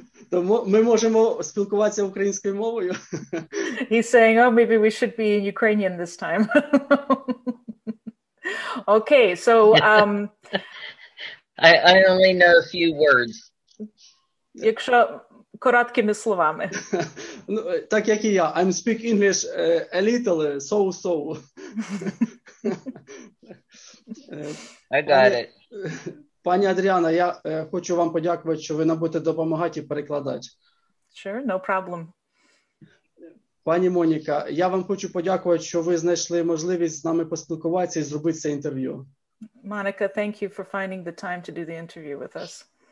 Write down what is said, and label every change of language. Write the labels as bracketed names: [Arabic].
[Ukrainian] Тому ми можемо спілкуватися українською мовою. [English] He's saying, oh, maybe we should be in Ukrainian this time. Okay, so... I only know a few words. [Ukrainian] Якщо короткими словами. Ну, так, як і я. [English] I speak English a little, so-so. I got it. [Ukrainian] Пані Адріана, я хочу вам подякувати, що ви нам будете допомагати і перекладати. [English] Sure, no problem. [Ukrainian] Пані Моніка, я вам хочу подякувати, що ви знайшли можливість з нами поспілкуватися і зробити це інтерв'ю. [English] Monica, thank you for finding the time to do the interview with us.